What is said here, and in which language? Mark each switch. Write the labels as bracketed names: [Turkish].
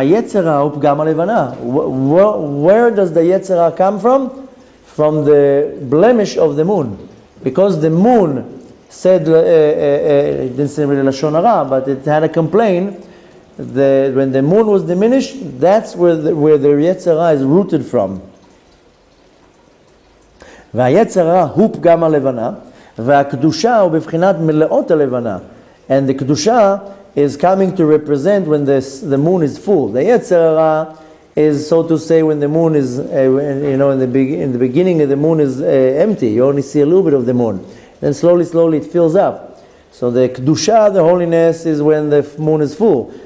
[English] Where does the Yetzer Hara come from? From the blemish of the moon, because the moon said it didn't say really lashon hara, but it had a complaint. When the moon was diminished, that's where the Yetzer Hara is rooted from. [Hebrew] והיצר הרע הוא פגם הלבנה, והקדושה הוא בבחינת מלאות הלבנה. [English] And the קדושה is coming to represent when the moon is full. The יצר הרע is, so to say, when the moon is, in the beginning the moon is empty. You only see a little bit of the moon. Then slowly, slowly it fills up. So the קדושה, the holiness, is when the moon is full.